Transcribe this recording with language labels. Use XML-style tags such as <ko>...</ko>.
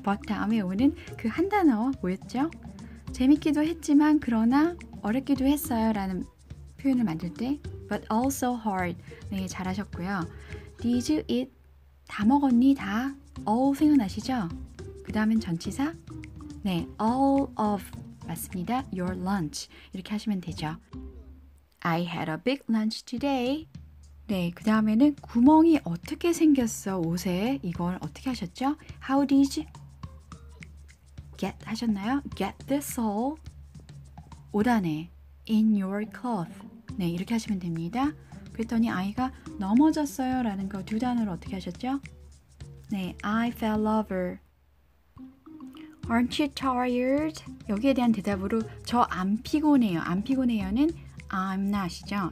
<ko>but 다음에 오는 그 한 단어 뭐였죠? 재밌기도 했지만 그러나 어렵기도 했어요 라는 표현을 만들 때</ko> <en>but also hard.</en> <ko>네, 잘하셨고요.</ko> <en>Did you eat?</en> <ko>다 먹었니? 다? all 생각나시죠? 그 다음은 전치사? 네,</ko> <en>all of</en> <ko>맞습니다.</ko> <en>Your lunch</en> <ko>이렇게 하시면 되죠.</ko> <en>I had a big lunch today.</en> <ko>네, 그 다음에는 구멍이 어떻게 생겼어 옷에? 이걸 어떻게 하셨죠?</ko> <en>How did get</en> <ko>하셨나요?</ko> <en>Get this all</en> <ko>옷 안에</ko> <en>in your cloth.</en> <ko>네, 이렇게 하시면 됩니다. 그랬더니 아이가 넘어졌어요 라는 거 두 단어로 어떻게 하셨죠?</ko> <en>네, I fell over. Aren't you tired?</en> <ko>여기에 대한 대답으로 저 안 피곤해요. 안 피곤해요는</ko> <en>I'm not</en> <ko>이죠.</ko>